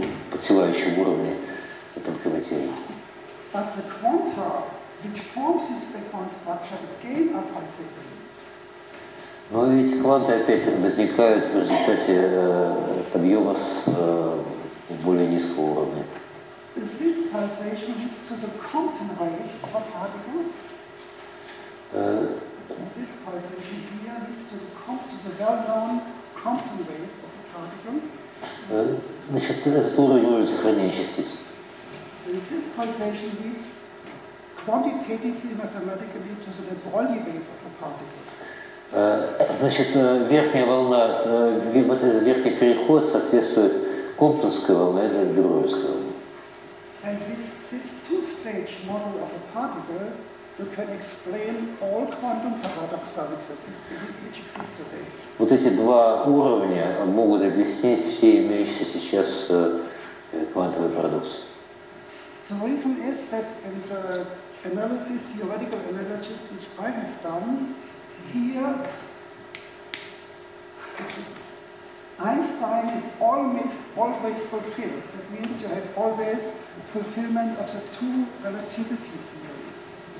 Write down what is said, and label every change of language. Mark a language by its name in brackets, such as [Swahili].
[Russian] Подсилающем уровне тонкой материи. [English] But the quanta, which forms this background structure, again are pulsating. [Russian] Но эти кванты опять возникают в результате подъема с более низкого уровня. [English] This pulsation leads to the quantum wave of a particle. This pulsation here leads to the well-known quantum wave of a particle. [Russian] Значит, этот уровень может сохранять частицы. [English] This pulsation leads quantitatively, mathematically to the Le Broglie wave of a particle. [Russian] Значит, верхняя волна, вот этот верхний переход соответствует комптонской волне, это Дюровской волне. [English] And with this two-stage model of a particle, you can explain all quantum paradoxa which exist today. [Russian] Вот эти два уровня могут объяснить все имеющиеся сейчас квантовые парадоксы. [English] The reason is that in the analysis, theoretical analysis, which I have done here, Einstein is always fulfilled. That means you have always fulfillment of the two relativity theories.